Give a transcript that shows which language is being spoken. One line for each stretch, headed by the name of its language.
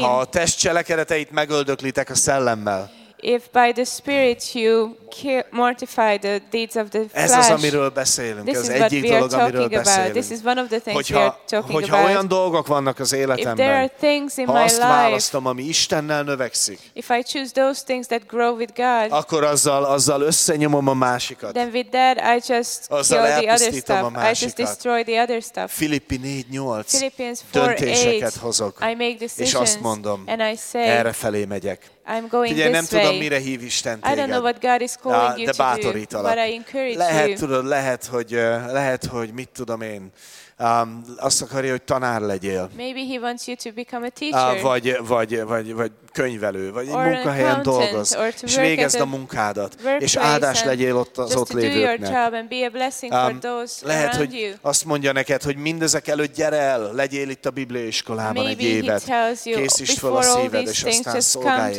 Hungarian: Ha a test cselekedeteit megöldöklitek a szellemmel,
English: if by the spirit you mortify the deeds of the flesh.
Hungarian: Ez az, amiről beszélünk.
English: This
Hungarian: ez egyik dolog, amiről
English: about.
Hungarian: Beszélünk.
English: This is one of the things
Hungarian: hogyha,
English: we are talking
Hungarian: hogyha
English: about.
Hungarian: Olyan dolgok vannak az életemben,
English: if there are things in
Hungarian: ha
English: my
Hungarian: azt választom, ami Istennel növekszik,
English: if I choose those things that grow with God,
Hungarian: akkor azzal összenyomom a másikat.
English: Then with that I just
Hungarian: azzal
English: kill the other stuff. I just destroy the other stuff.
Hungarian: Filippi 4:8.
English: Philippians 4:8.
Hungarian: Döntéseket hozok.
English: I make decisions.
Hungarian: És azt mondom,
English: and I say,
Hungarian: erre felé megyek.
English: I'm going
Hungarian: ugye,
English: this
Hungarian: nem
English: way.
Hungarian: Tudom, mire hív Isten téged.
English: I don't know what God is calling you to do.
Hungarian: De bátorítalak.
English: But I encourage
Hungarian: lehet,
English: you.
Hungarian: Tudod, lehet, hogy mit tudom én. Azt akarja, hogy tanár legyél.
English: Maybe he wants you to become a teacher.
Hungarian: Vagy könyvelő, vagy
English: or
Hungarian: munkahelyen dolgoz, és végezd a munkádat, és áldás legyél ott az ott lévőknek. Lehet, hogy
English: you.
Hungarian: Azt mondja neked, hogy mindezek előtt gyere el, legyél itt a Biblia iskolában
English: maybe
Hungarian: egy évet, készítsd fel a szíved, és aztán szolgálj